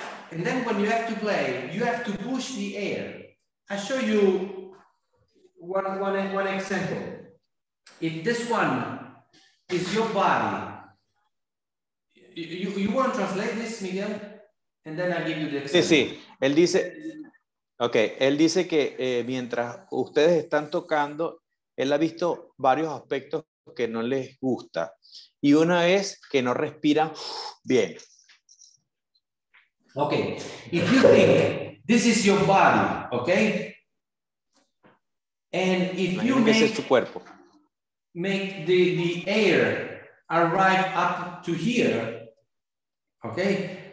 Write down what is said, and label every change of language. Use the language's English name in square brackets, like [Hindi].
[English] And then when you have to play, you have to push the air. I'll show you one example. If this one is your body, you want to translate this, Miguel? And then I'll give you the example. [Spanish] Sí, sí. Él dice, okay, él dice que mientras ustedes están tocando, él ha visto varios aspectos que no les gusta. Y una es que no respiran bien. [English] Okay, if you think this is your body, okay? And if you make the air arrive up to here, okay?